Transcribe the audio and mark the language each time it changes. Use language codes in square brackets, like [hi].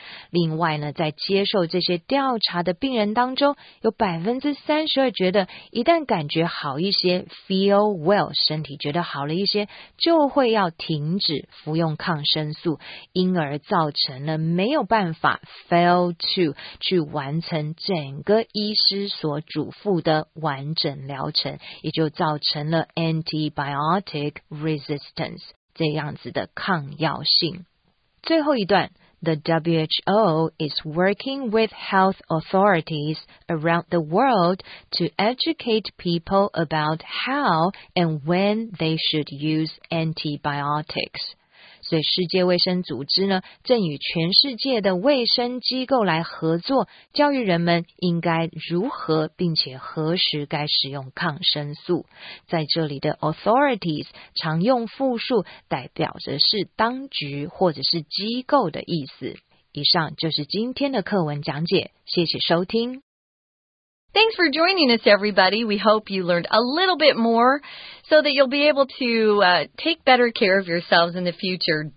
[zh] 另外呢, 在接受这些调查的病人当中, 有32%觉得一旦感觉好一些, feel well, 身体觉得好了一些, 就会要停止服用抗生素, 因而造成了没有办法 fail to 去完成整个医师所嘱咐的完整疗程, 也就造成了 antibiotic resistance, 这样子的抗药性。最后一段, [en] the WHO is working with health authorities around the world to educate people about how and when they should use antibiotics. [zh] 所以世界卫生组织呢, 正与全世界的卫生机构来合作, 教育人们应该如何, 并且何时该使用抗生素。在这里的authorities, 常用复数, 代表着是当局或者是机构的意思。以上就是今天的课文讲解, 谢谢收听。 [en] Thanks for joining us, everybody. We hope you learned a little bit more so that you'll be able to take better care of yourselves in the future.